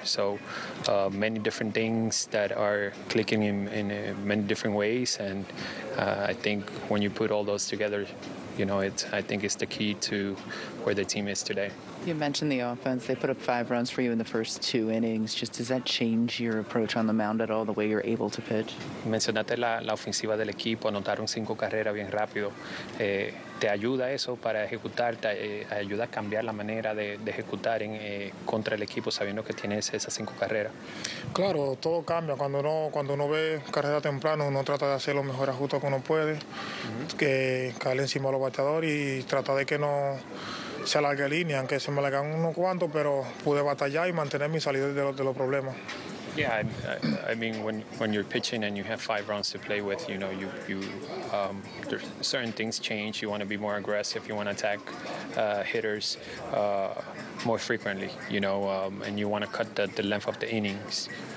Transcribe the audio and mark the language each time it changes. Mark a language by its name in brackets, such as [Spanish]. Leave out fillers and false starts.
[English] So many different things that are clicking in many different ways. And I think when you put all those together, you know, I think it's the key to where the team is today. You mentioned the offense. They put up 5 runs for you in the first 2 innings. Just does that change your approach on the mound at all, the way you're able to pitch? [Spanish] Mencionaste la ofensiva del equipo, anotaron 5 carreras bien rápido. ¿Te ayuda eso para ejecutar? ¿Te ayuda a cambiar la manera de ejecutar contra el equipo sabiendo que tienes esas 5 carreras? Claro, todo cambia. Cuando uno ve carrera temprano, uno trata de hacer los mejores ajustes que uno puede, uh-huh. que caer encima de los bateadores y tratar de que no se alargue línea, aunque se me alargan unos cuantos, pero pude batallar y mantener mi salida de los problemas. [English] Yeah, I mean, when you're pitching and you have 5 runs to play with, you know, you there's certain things change. You want to be more aggressive. You want to attack hitters more frequently, you know, and you want to cut the length of the innings.